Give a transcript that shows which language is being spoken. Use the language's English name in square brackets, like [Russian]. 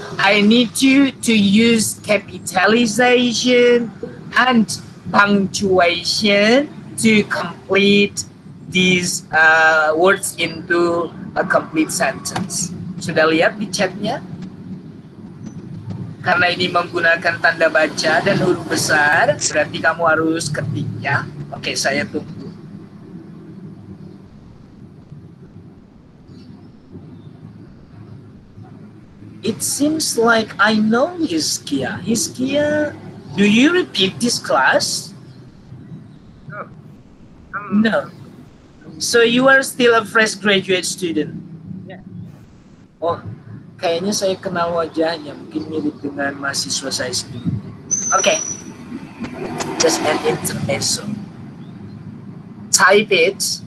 [English] I need you to use capitalization and punctuation to complete these words into a complete sentence. [Indonesian] Sudah lihat di chatnya? Karena ini menggunakan tanda baca dan huruf besar, berarti kamu harus ketik ya. Oke, saya tunggu. [English] It seems like I know Hizkia. Hizkia, do you repeat this class? No. So you are still a fresh graduate student? Yeah. [Indonesian] Oh, kayaknya saya kenal wajahnya. Mungkin mirip dengan mahasiswa saya sendiri. [English] Okay. Just an intermezzo. Type it.